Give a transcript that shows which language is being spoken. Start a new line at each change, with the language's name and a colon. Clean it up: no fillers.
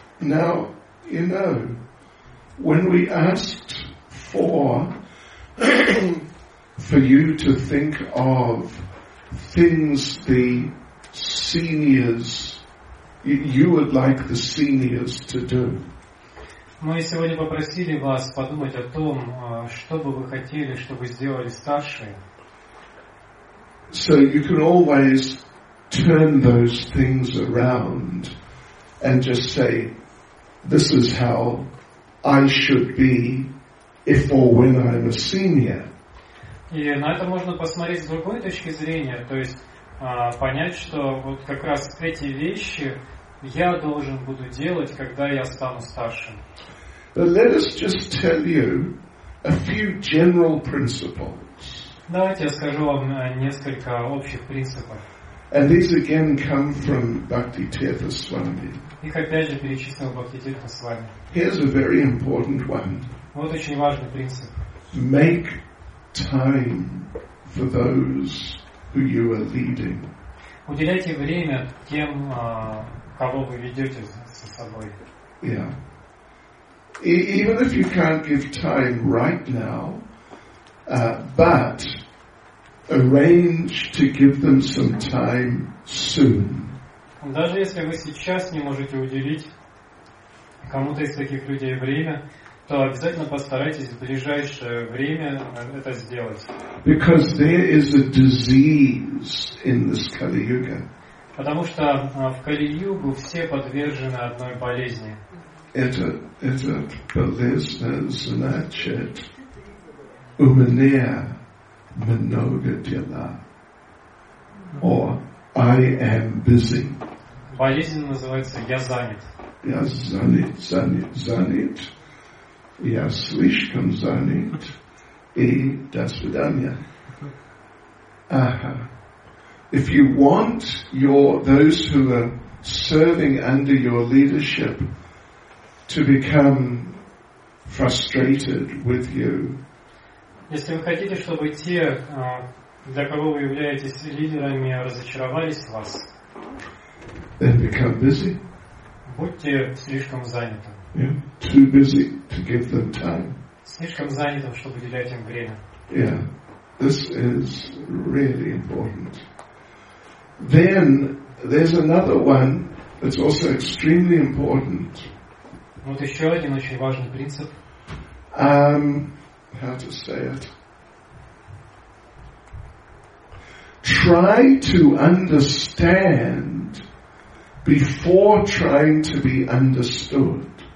English: Now, you know, when we asked for you to think of things the seniors, you would like the seniors to do.
Russian: Мы сегодня попросили вас подумать о том, что бы вы хотели, чтобы сделали старшие.
English: So you can always turn those things around and just say, this is how I should be if or when I'm a senior.
Russian: И на это можно посмотреть с другой точки зрения, то есть понять, что вот как раз эти вещи я должен буду делать, когда я стану старшим.
English: But let us just tell you a few general principles.
Russian: Давайте я скажу вам несколько общих принципов.
English: And these again come from Bhaktitirtha Swami.
Russian: Их опять же перечислил Бхактитирта Свами.
English: Here's a very important one.
Russian: Вот очень важный принцип.
English: Make time for those who you are leading.
Russian: Уделяйте время тем, кого вы ведете со собой.
English: Yeah. Even if you can't give time right now, but arrange to give them some time soon.
Russian: Даже если вы сейчас не можете уделить кому-то из таких людей время, то обязательно постарайтесь в ближайшее время это сделать.
English: Because there is a disease in this Kali Yuga.
Russian: Потому что в Кали-Югу все подвержены одной болезни. Это болезнь значит умнея много дела.
English: Or I am busy.
Russian: Болезнь называется я занят. Я занят, занят, занят. Я слишком занят. И до свидания. Ага.
English: If you want those who are serving under your leadership to become frustrated with you.
Russian: Если вы хотите, чтобы те, для кого вы являетесь лидерами, разочаровались в вас,
English: then become busy.
Russian: Будьте слишком занятым.
English: Yeah. Too busy to give them time.
Russian: Слишком занятым, чтобы уделять им время.
English: Yeah. This is really important. Then there's another one that's also extremely important.
Russian: Вот еще один очень важный принцип.
English: How to say it? Try to understand before trying to be understood.